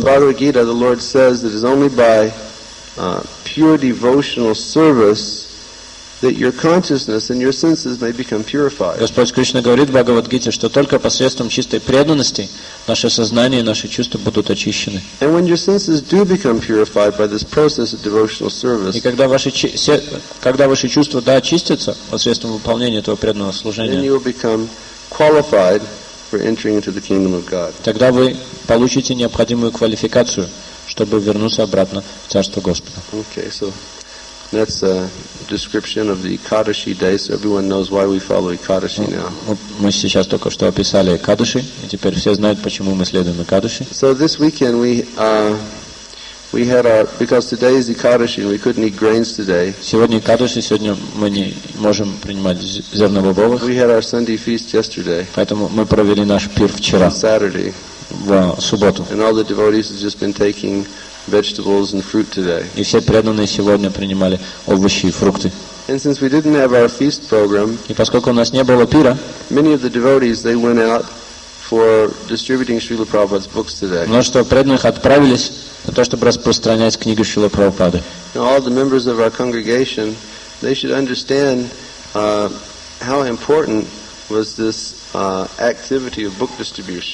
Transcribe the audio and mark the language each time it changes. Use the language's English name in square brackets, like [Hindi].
[English] In Bhagavad Gita, the Lord says that it is only by pure devotional service that your consciousness and your senses may become purified. [Russian] Господь Кришна говорит в Бхагавад Гите, что только посредством чистой преданности наше сознание и наши чувства будут очищены. [English] And when your senses do become purified by this process of devotional service, [Russian] и когда ваши чувства да очистятся посредством выполнения этого преданного служения, [English] then you will become qualified for entering into the kingdom of God. [Russian] Тогда вы получите необходимую квалификацию, чтобы вернуться обратно в Царство Господа. [English] Okay, so that's a description of the Ekadashi day, so everyone knows why we follow Ekadashi now. [Russian] Мы сейчас только что описали Экадаши, и теперь все знают, почему мы следуем Экадаши. [English] So this weekend we had our, because today is Ekadashi, we couldn't eat grains today. [Russian] Сегодня Экадаши, сегодня мы не можем принимать зернобобовых. [English] We had our Sunday feast yesterday. [Russian] Поэтому мы провели наш пир вчера. [English] Saturday. [Russian] В субботу. [English] And all the devotees have just been taking vegetables and fruit today. [Russian] И все преданные сегодня принимали овощи и фрукты. [English] And since we didn't have our feast program, [Russian] и поскольку у нас не было пира, [English] many of the devotees they went out for distributing Srila Prabhupada's books today. [Russian] Множество преданных отправились на то, чтобы распространять книги Шрилы Прабхупады. [English] And all the members of our congregation, they should understand how important was this activity of book distribution.